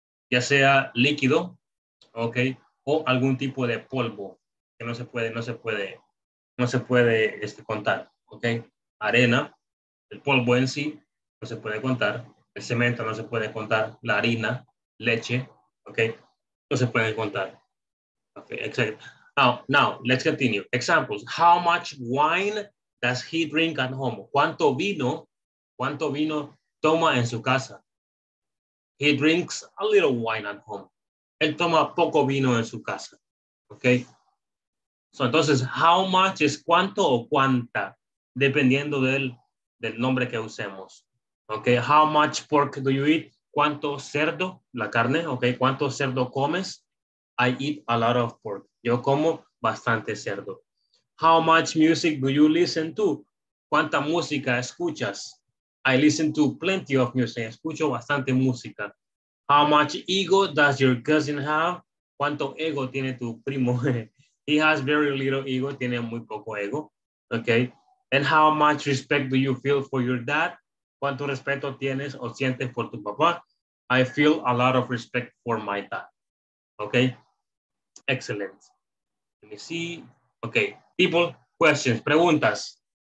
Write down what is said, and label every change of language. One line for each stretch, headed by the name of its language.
Spanish: Ya sea líquido, ok, o algún tipo de polvo que no se puede contar. Ok. Arena, el polvo en sí, no se puede contar. El cemento no se puede contar, la harina, leche, ok, no se puede contar.
English: Ok, exacto. Now, let's continue. Examples. How much wine does he drink at home?
Spanish: ¿Cuánto vino toma en su casa?
English: He drinks a little wine at home.
Spanish: Él toma poco vino en su casa.
English: Ok.
Spanish: So, entonces, how much es cuánto o cuánta, dependiendo del nombre que usemos.
English: Okay, how much pork do you eat?
Spanish: ¿Cuánto cerdo, la carne?
English: Okay,
Spanish: ¿cuánto cerdo comes?
English: I eat a lot of pork.
Spanish: Yo como bastante cerdo.
English: How much music do you listen to?
Spanish: ¿Cuánta música escuchas?
English: I listen to plenty of music.
Spanish: Escucho bastante música.
English: How much ego does your cousin have?
Spanish: ¿Cuánto ego tiene tu primo?
English: He has very little ego.
Spanish: Tiene muy poco ego. Okay.
English: And how much respect do you feel for your dad?
Spanish: ¿Cuánto respeto tienes o sientes por tu papá?
English: I feel a lot of respect for my dad. Ok. Excellent. Let me see. Ok. People, questions, preguntas.